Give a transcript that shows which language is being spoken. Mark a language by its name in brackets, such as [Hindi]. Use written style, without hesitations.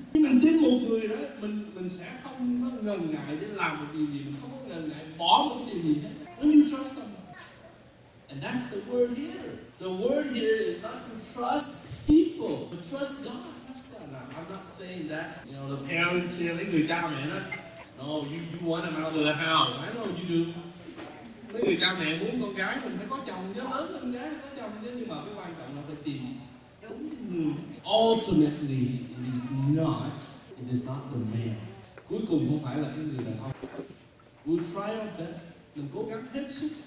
[Vietnamese] Khi mình tin một người đó, mình sẽ không có ngần ngại để làm một điều gì, mình không có ngần ngại bỏ một điều gì hết. [English] When you trust someone. And that's the word here. The word here is not to trust people, but trust God. That's God. Now, I'm not saying that, you know, the parents here, [Vietnamese] lấy người cha mẹ đó. [English] No, you want him out of the house. I know you do. [Vietnamese] Mấy người cha mẹ muốn con gái mình phải có chồng, nhớ lớn con gái phải có chồng chứ. Nhưng mà cái quan trọng là phải tìm đúng người. [English] Ultimately, it is not the man. [Vietnamese] Cuối cùng không phải là cái người đàn ông. [English] We'll try our best. [Vietnamese] Mình cố gắng hết sức.